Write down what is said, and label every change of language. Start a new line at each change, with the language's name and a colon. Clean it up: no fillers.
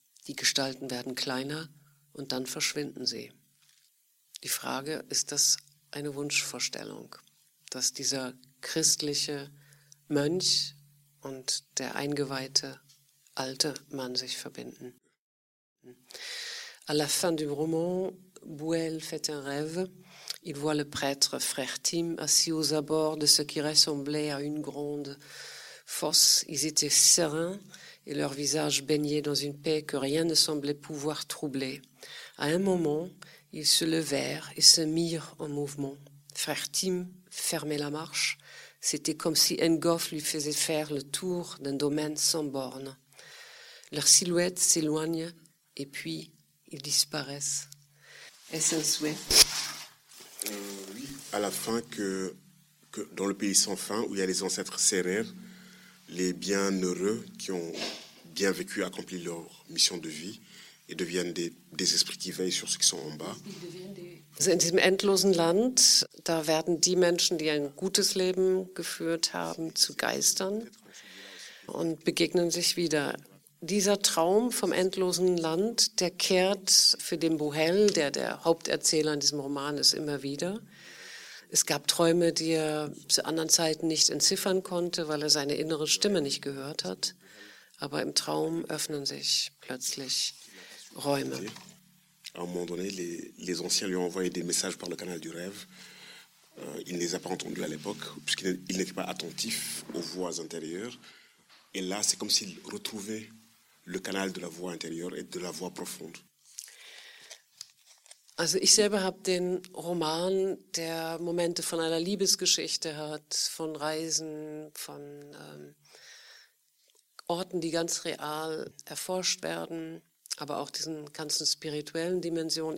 German: Die Gestalten werden kleiner und dann verschwinden sie. Die Frage, ist das eine Wunschvorstellung, dass dieser christliche Mönch und der eingeweihte alte Mann sich verbinden?
French: À la fin du roman, Buhel fait un rêve. Il voit le prêtre frère Tim assis aux abords de ce qui ressemblait à une grande fosse. Ils étaient sereins, et leur visage baigné dans une paix que rien ne semblait pouvoir troubler. À un moment, ils se levèrent et se mirent en mouvement. Frère Tim fermait la marche. C'était comme si Engolf lui faisait faire le tour d'un domaine sans bornes. Leurs silhouettes s'éloignent et puis ils disparaissent. Est-ce un souhait? Oui, à la fin que dans le pays sans fin, où il y a les ancêtres sérères, les bienheureux qui ont bien vécu, accompli leur mission de vie et deviennent des esprits qui veillent sur ceux qui sont en bas.
German: In diesem endlosen Land, da werden die Menschen, die ein gutes Leben geführt haben, zu Geistern und begegnen sich wieder. Dieser Traum vom endlosen Land, der kehrt für den Buhel, der Haupterzähler in diesem Roman ist, immer wieder. Es gab Träume, die er zu anderen Zeiten nicht entziffern konnte, weil er seine innere Stimme nicht gehört hat. Aber im Traum öffnen sich plötzlich Räume.
French: À un moment donné, les anciens lui ont envoyé des messages par le canal du rêve. Il ne les a pas entendus à l'époque, puisqu'il n'était pas attentif aux voix intérieures. Et là, c'est comme s'il retrouvait le canal de la voix intérieure et de la voix profonde.
German: Also ich selber habe den Roman, der Momente von einer Liebesgeschichte hat, von Reisen, von Orten, die ganz real erforscht werden, aber auch diesen ganzen spirituellen Dimensionen.